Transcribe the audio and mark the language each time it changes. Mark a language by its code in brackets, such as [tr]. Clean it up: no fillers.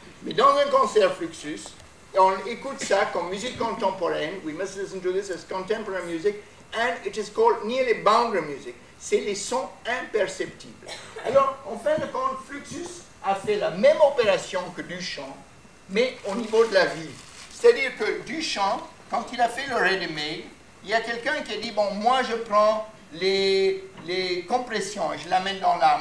[fr] Mais dans un concert Fluxus, on écoute ça comme musique contemporaine. [en] We must listen to this as contemporary music, and it is called nearly boundary music. [fr] C'est les sons imperceptibles. Alors, en fin de compte, Fluxus a fait la même opération que Duchamp, mais au niveau de la vie. C'est-à-dire que Duchamp, quand il a fait le ready-made, il y a quelqu'un qui a dit, bon, moi je prends les compressions, je l'amène dans là.